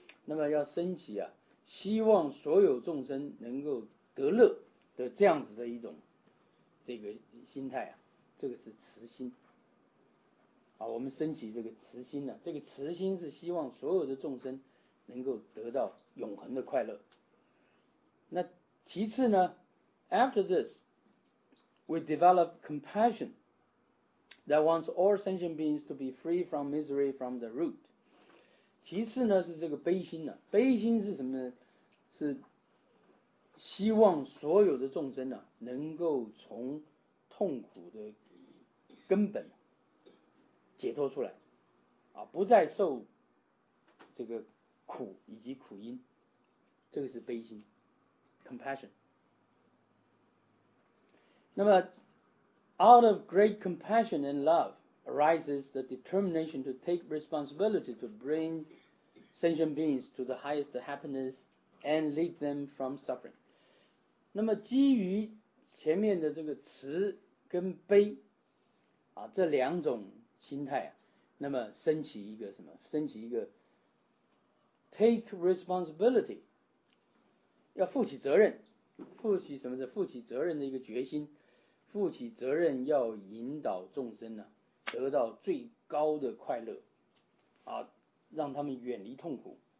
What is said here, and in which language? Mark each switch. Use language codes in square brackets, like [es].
[zh] 那么要升起啊，希望所有众生能够得乐的这样子的一种这个心态啊，这个是慈心。啊，我们升起这个慈心呢、啊，这个慈心是希望所有的众生能够得到永恒的快乐。那其次呢？ [en] After this, we develop compassion that wants all sentient beings to be free from misery from the root. [zh] 其次呢是这个悲心呢、啊，悲心是什么呢？是希望所有的众生呢、啊、能够从痛苦的根本解脱出来，啊，不再受这个苦以及苦因，这个是悲心 ，compassion。 [en] 那么 out of great compassion and love arises the determination to take responsibility to bring sentient beings to the highest happiness and lead them from suffering. [zh] 那么基于前面的这个慈跟悲啊这两种心态、啊、那么升起一个什么，升起一个 [en] take responsibility, [zh] 要负起责任，负起什么的，负起责任的一个决心，负起责任要引导众生呢、啊、得到最高的快乐啊，让他们远离痛苦。